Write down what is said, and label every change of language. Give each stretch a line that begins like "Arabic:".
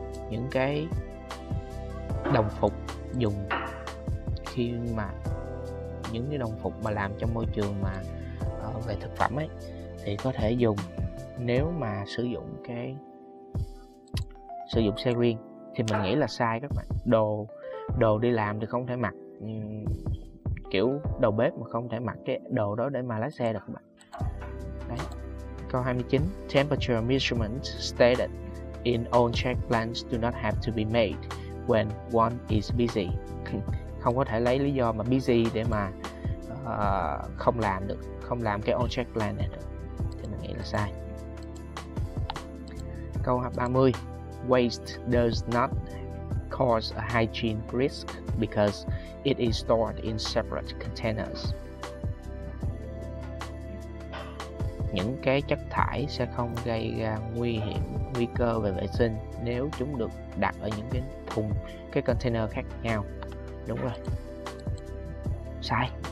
Vietnamese: Những cái đồng phục dùng khi mà những cái đồng phục mà làm trong môi trường mà về thực phẩm ấy, thì có thể dùng nếu mà sử dụng xe riêng, thì mình nghĩ là sai các bạn. Đồ đi làm thì không thể mặc, kiểu đầu bếp mà không thể mặc cái đồ đó để mà lái xe được các bạn. Đấy. Câu 29.
English: Temperature measurements stated in all check plans do not have to be made when one is busy.
Vietnamese: Không có thể lấy lý do mà busy để mà không làm được, không làm cái all check plan này được. Sai. Câu 30.
English: Waste does not cause a hygiene risk because it is stored in separate containers.
Vietnamese: Những cái chất thải sẽ không gây ra nguy hiểm, nguy cơ về vệ sinh nếu chúng được đặt ở những cái thùng, cái container khác nhau. Đúng rồi. Sai.